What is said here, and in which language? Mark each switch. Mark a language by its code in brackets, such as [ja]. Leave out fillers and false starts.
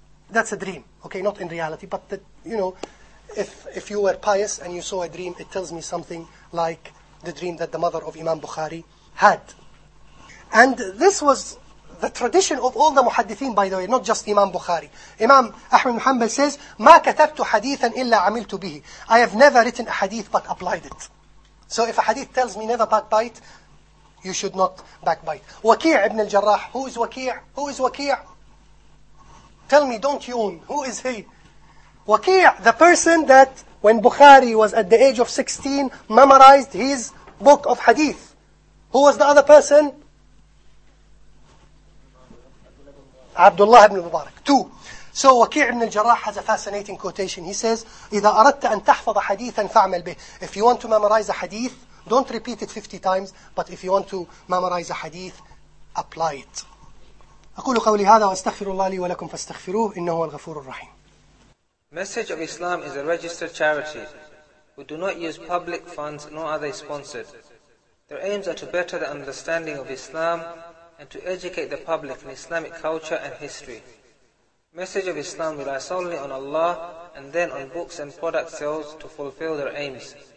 [en] That's a dream, okay, not in reality, but that, you know, if you were pious and you saw a dream, it tells me something like the dream that the mother of Imam Bukhari had. And this was the tradition of all the muhaddithin, by the way, not just Imam Bukhari. [ar] Imam Ahmad Muhammad says, مَا كَتَبْتُ حَدِيثًا إِلَّا عَمِلْتُ بِهِ. [en] I have never written a hadith but applied it. So if a hadith tells me never backbite, you should not backbite. Waqi' ibn al-Jarrah, who is Waqi'? Who is Waqi'? Tell me, don't yawn. Who is he? Waqi', the person that when Bukhari was at the age of 16, memorized his book of hadith. Who was the other person? Abdullah ibn Mubarak. Two. So Waqi' ibn al-Jarrah has a fascinating quotation. He says, [ar] إِذَا أَرَدْتَ أَن تَحْفَظَ حَدِيثًا فَعْمَلْ بِهِ. [en] If you want to memorize a hadith, don't repeat it 50 times, but if you want to memorize a hadith, apply it. [ar] أقول قولي هذا وأستغفر الله لي ولكم فاستغفروه إنه هو الغفور الرحيم. [en] Message of Islam is a registered charity. We do not use public funds, nor are they sponsored. Their aims are to better the understanding of Islam and to educate the public in Islamic culture and history. Message of Islam relies solely on Allah and then on books and product sales to fulfill their aims.